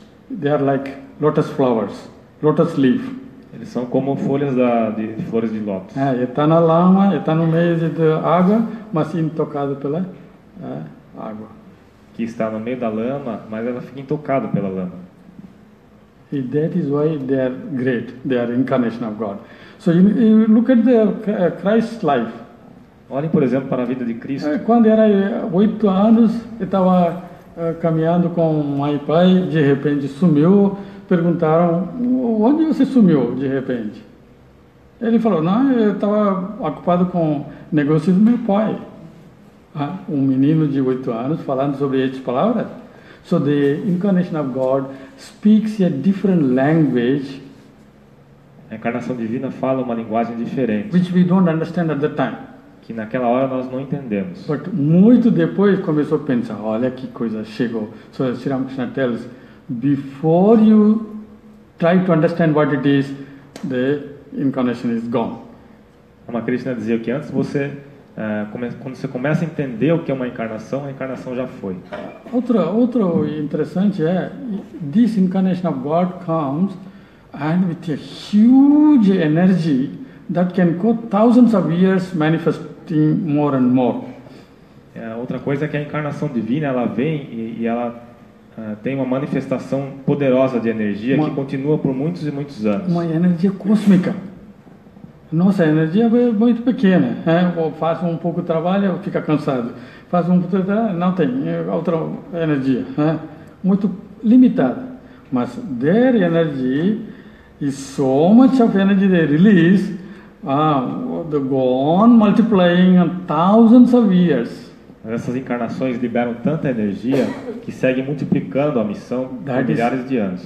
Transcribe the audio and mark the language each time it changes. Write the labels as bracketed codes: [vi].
[en] They are like lotus flowers, lotus leaf. [pt] Eles são como folhas de flores de lótus. Ele está na lama, ele está no meio da água, mas intocado pela água. Que está no meio da lama, mas ela fica intocada pela lama. [en] E that is why they are great, they are incarnation of God. So you look at the Christ's life. [pt] Olhem, por exemplo, para a vida de Cristo. Quando era 8 anos, ele estava caminhando com mãe e pai, de repente sumiu. Perguntaram, onde você sumiu de repente? Ele falou, não, eu estava ocupado com negócios do meu pai. Um menino de 8 anos falando sobre essas palavras. [en] So the incarnation of God speaks a different language. [pt] A encarnação divina fala uma linguagem diferente. [en] Which we don't understand at the time. [pt] Que naquela hora nós não entendemos. [en] But [pt] muito depois começou a pensar, olha que coisa chegou. [en] So Sri Ramakrishna tells, before you try to understand what it is, the incarnation is gone. [pt] Ramakrishna dizia que antes você, quando você começa a entender o que é uma encarnação, a encarnação já foi. Outro interessante é, [en] this incarnation of God comes and with a huge energy that can go thousands of years manifesting more and more. [pt] Outra coisa é que a encarnação divina, ela vem e ela tem uma manifestação poderosa de energia que continua por muitos e muitos anos. Uma energia cósmica. Nossa, a energia é muito pequena. Faz um pouco de trabalho, fica cansado. Faz um pouco de trabalho, não tem. Outra energia. Muito limitada. Mas der energia e [en] so much of energy they release, they go on multiplying thousands of years. [pt] Essas encarnações liberam tanta energia que seguem multiplicando a missão por milhares de anos.